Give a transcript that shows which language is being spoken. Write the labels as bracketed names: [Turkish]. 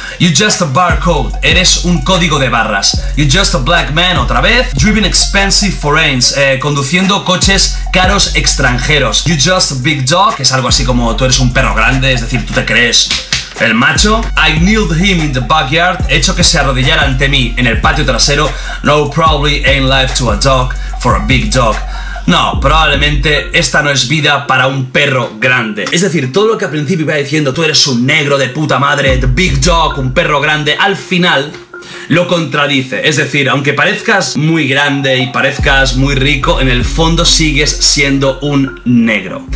[English] "You just a barcode". [Spanish] Eres un código de barras. [English] "You just a black man", [Spanish] otra vez. [English] "Driving expensive foreigns", [Spanish] conduciendo coches caros extranjeros. [English] "You just a big dog", [Spanish] que es algo así como tú eres un perro grande, es decir, tú te crees el macho. [English] "I kneeled him in the backyard", [Spanish] he hecho que se arrodillara ante mí en el patio trasero. [English] "No, probably ain't life to a dog, for a big dog". [Spanish] No, probablemente esta no es vida para un perro grande. Es decir, todo lo que al principio iba diciendo, tú eres un negro de puta madre, the big dog, un perro grande, al final lo contradice. Es decir, aunque parezcas muy grande y parezcas muy rico, en el fondo sigues siendo un negro.